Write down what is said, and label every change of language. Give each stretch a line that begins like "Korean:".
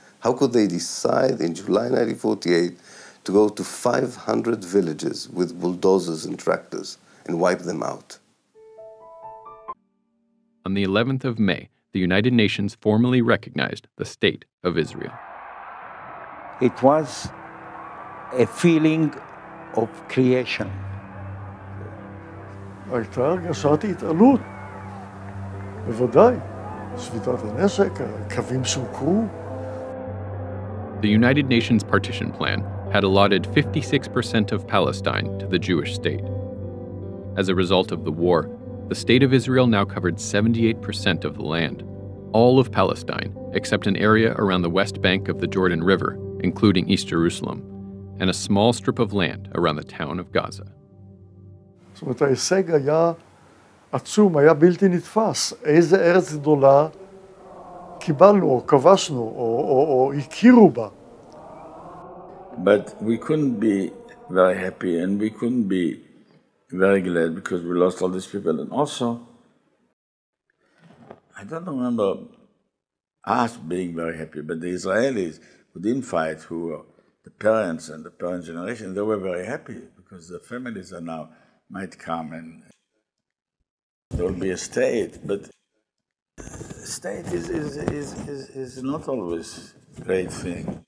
English: How could they decide in July 1948 to go to 500 villages with bulldozers and tractors and wipe them out? On the 11th of May, the United Nations formally recognized the State of Israel. It was a feeling of creation.
Hebrew: הייתה הרגשת התעלות, בוודאי, שביתת הנשק, הקווים שוקרו.
English: The United Nations partition plan had allotted 56% of Palestine to the Jewish state. As a result of the war, the state of Israel now covered 78% of the land, all of Palestine, except an area around the west bank of the Jordan River, including East Jerusalem, and a small strip of land around the town of Gaza. So the
Hebrew: ההישג היה עצום, היה בלתי נתפס. איזה ארץ גדולה קיבלנו או כבשנו או הכירו בה.
English: But we couldn't be very happy and we couldn't be very glad because we lost all these people. And also, I don't remember us being very happy, but the Israelis who didn't fight, who were the parents and the parent generation, they were very happy because the families are now might come and there will be a state, but state is not always a great thing.